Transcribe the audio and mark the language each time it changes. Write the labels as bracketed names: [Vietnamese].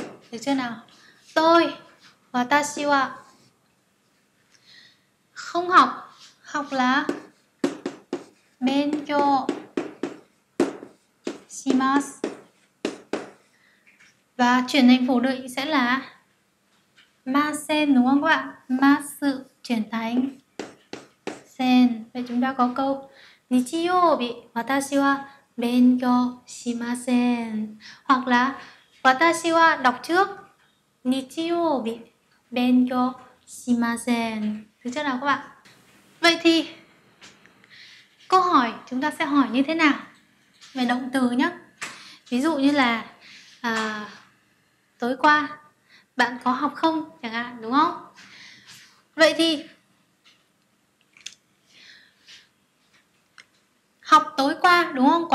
[Vietnamese] Được chưa nào? Tôi watashi wa không học. Học là benkyō shimasu. Và chuyển thành phủ định sẽ là masen đúng không các bạn? Masu chuyển thành sen. Vậy chúng ta có câu [Japanese] 日曜日 私は勉強しません. [Vietnamese] Hoặc là 私は đọc trước [Japanese] 日曜日勉強しません. [Vietnamese] Được chưa nào các bạn? Vậy thì câu hỏi chúng ta sẽ hỏi như thế nào về động từ nhé. Ví dụ như là tối qua bạn có học không chẳng hạn, đúng không? Vậy thì học tối qua đúng không?